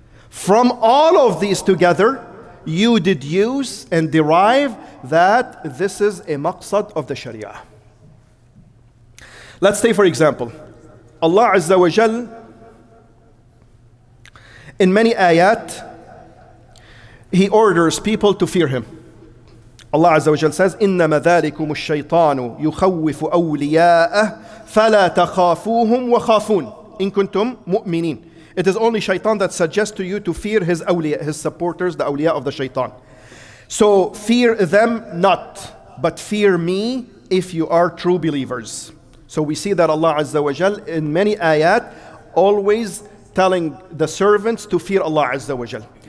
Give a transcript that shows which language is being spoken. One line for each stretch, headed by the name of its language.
English: From all of these together, you deduce and derive that this is a maqsad of the Sharia. Let's say, for example, Allah Azza wa Jal, in many ayat, He orders people to fear Him. Allah Azza wa Jal says,
Arabic: إِنَّمَا ذَلِكُمُ الشَّيْطَانُ يُخَوِّفُ أَوْلِيَاءَهُ فَلَا تَخَافُوهُمْ وَخَافُونَ إِن كُنْتُمْ مُؤْمِنِينَ.
English: It is only shaitan that suggests to you to fear his awliya, his supporters, the awliya of the shaitan. So fear them not, but fear me if you are true believers. So we see that Allah Azza wa Jal in many ayat always telling the servants to fear Allah Azza wa Jal.